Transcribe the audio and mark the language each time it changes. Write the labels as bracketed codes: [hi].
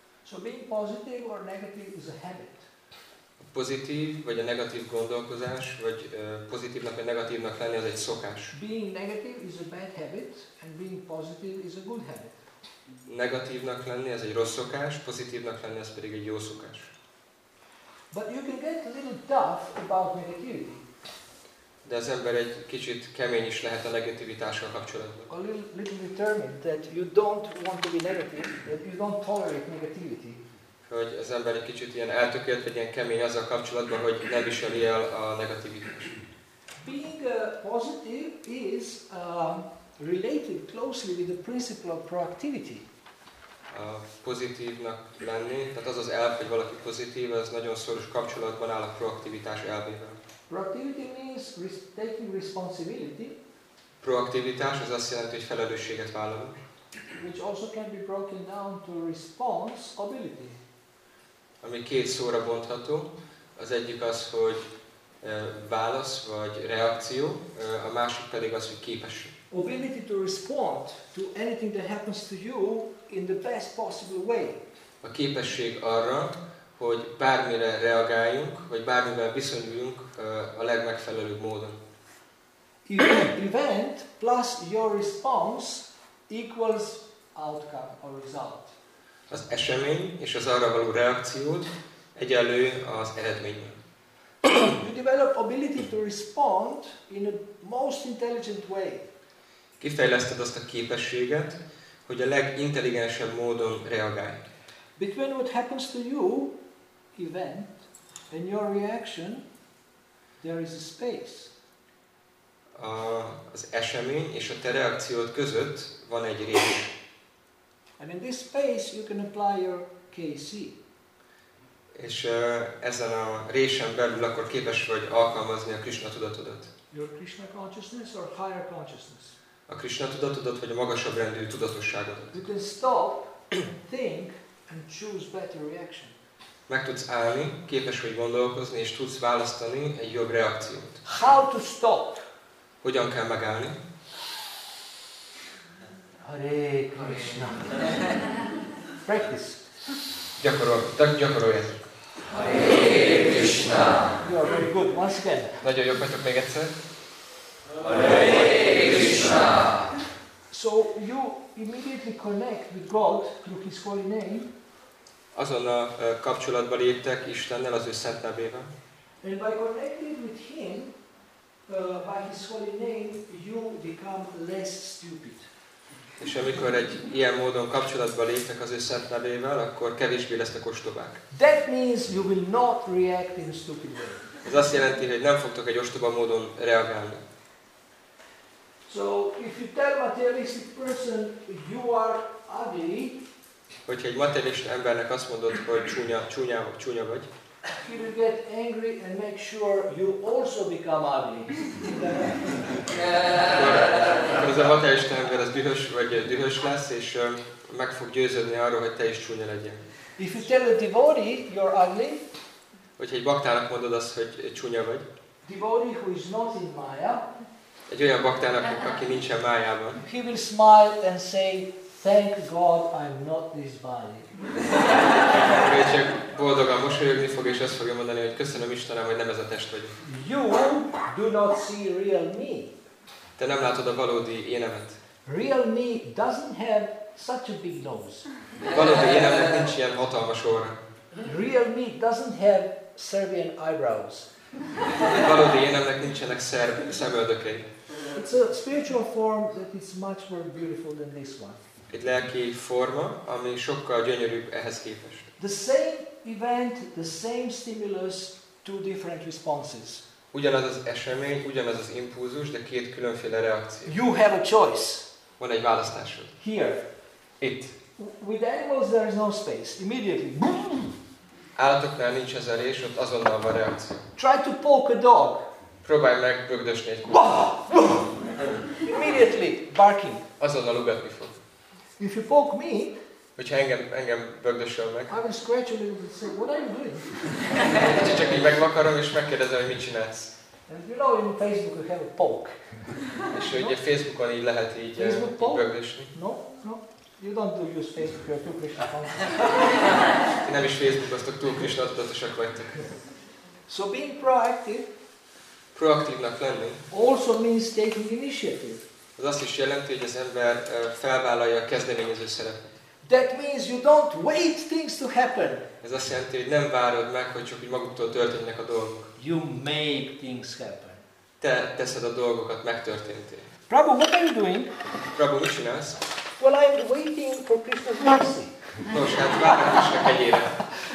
[en] So being positive or negative is a habit. [hu] A pozitív vagy a negatív gondolkozás, vagy pozitívnak vagy negatívnak lenni, az egy szokás. [en] Being negative is a bad habit, and being positive is a good habit. [hu] Negatívnak lenni, ez egy rossz szokás, pozitívnak lenni, ez pedig egy jó szokás. [en] But you can get a little tough about negativity. [hu] De az ember egy kicsit kemény is lehet a negativitással kapcsolatban. [en] A little determined that you don't want to be negative, that you don't tolerate negativity. [hu] Hogy az ember egy kicsit ilyen eltökélt, vagy ilyen kemény azzal kapcsolatban, hogy ne viseli el a negativitást. [en] Being positive is related closely with the principle of proactivity. [hu] a pozitívnak lenni, tehát az az elv, hogy valaki pozitív, az nagyon szoros kapcsolatban áll a proaktivitás elvével. [en] Proactivity means taking responsibility. [hu] Proaktivitás az azt jelenti, hogy felelősséget vállalunk. [en] Which also can be broken down to responsibility. [hu] Ami két szóra bontható, az egyik az, hogy válasz vagy reakció, a másik pedig az, hogy képesség. [en] Ability to respond to anything that happens to you in the best possible way. [hu] A képesség arra, hogy bármire reagáljunk, vagy bármivel viszonyuljunk a legmegfelelőbb módon. [en] Event plus your response equals outcome or result. [hu] Az esemény és az arra való reakciót egyenlő az eredménnyel. [en] You develop ability to respond in a most intelligent way. [hu] Kifejleszted azt a képességet, hogy a legintelligensebb módon reagálj. [en] Between what happens to you, event, and your reaction, there is a space. [hu] Az esemény és a te reakciód között van egy rész. [en] And in this space you can apply your KC. [hu] És ezen a résen belül akkor képes vagy alkalmazni a Krishna tudatodat. [en] Your Krishna consciousness or higher consciousness. [hu] A Krishna tudatodat vagy a magasabb rendű tudatosságodat. [en] You can stop, think and choose better reaction. [hu] Meg tudsz állni, képes vagy gondolkozni és tudsz választani egy jobb reakciót. [en] How to stop? [hu] Hogyan kell megállni? [en] Hare Krishna. Practice. [hu] Gyakoroljad. [sa] Hare Krishna. [en] You are very good. Once again. [hu] Nagyon jó vagyok még egyszer. [sa] Hare Krishna. [en] So you immediately connect with God through His holy name. [hu] Azonnal kapcsolatba léptek Istennel, az ő szent nevével. [en] And by connecting with Him, by His holy name, you become less stupid. [hu] És amikor egy ilyen módon kapcsolatba léptek az ő szent nevével, akkor kevésbé lesznek ostobák. [en] That means you will not react in a stupid way. [hu] Ez azt jelenti, hogy nem fogtok egy ostoba módon reagálni. [en] So if you tell materialistic person you are ugly, [hu] hogyha egy materialista embernek azt mondod, hogy csúnya vagy, [en] he will get angry and make sure you also become ugly. [hu] Ez a materialista ember az dühös vagy dühös lesz és meg fog győződni arról, hogy te is csúnya legyél. [en] If you tell a devotee you're ugly, [hu] hogyha egy baktának mondod azt, hogy csúnya vagy, [en] devotee who is not in Maya, [hu] egy olyan baktának, aki nincsen Mayában, [en] he will smile and say, thank God I'm not this body. [hu] Ő csak boldogan mosolyogni fog és azt fogja mondani, hogy köszönöm Istenem, hogy nem ez a test vagyok. [en] You do not see real me. [hu] Te nem látod a valódi énemet. [en] Real me doesn't have such a big nose. [hu] Valódi énemnek nincs ilyen hatalmas orra. [en] Real me doesn't have Serbian eyebrows. [hu] Valódi énemnek nincsenek szerb szemöldökei. [en] It's a spiritual form that is much more beautiful than this one. [hu] Egy lelki forma, ami sokkal gyönyörűbb ehhez képest. [en] The same event, the same stimulus, two different responses. [hu] Ugyanaz az esemény, ugyanaz az impulzus, de két különféle reakció. [en] You have a choice. [hu] Van egy választásod. [en] Here. [hu] Itt. [en] With animals there is no space. Immediately. [hu] Állatoknál nincs ez a rés, ott azonnal van reakció. [en] Try to poke a dog. [hu] Próbálj meg bögdösni egy kutyát. [en] Immediately barking. [hu] Azonnal ugatni fog. [en] If you poke me, [hu] hogyha engem bögdösöl meg, [en] I will scratch a little bit, say, what are you doing? [hu] Csak így megvakarom, és megkérdezem, hogy mit csinálsz. [en] And you know, in Facebook you have a poke. [hu] És no? Ugye Facebookon így lehet így bögdösni. No, no. [en] You don't do use Facebook, you're too Krishna conscious. [hu] Ti nem is Facebookoztok, túl Krishna tudatosak vagytok. [en] So being proactive, [hu] proaktívnak lenni, [en] also means taking initiative. [hu] Az azt is jelenti, hogy az ember felvállalja a kezdeményező szerepet. [en] That means you don't wait things to happen. [hu] Ez azt jelenti, hogy nem várod meg, hogy csak úgy maguktól történnek a dolgok. [en] You make things happen. [hu] Te teszed a dolgokat, megtörténté. [en] Prabhu, what are you doing? [hu] Prabhu, mit csinálsz? [en] Well, I'm waiting for Krishna's mercy. [hu] Nos, hát várom Krishna kegyére.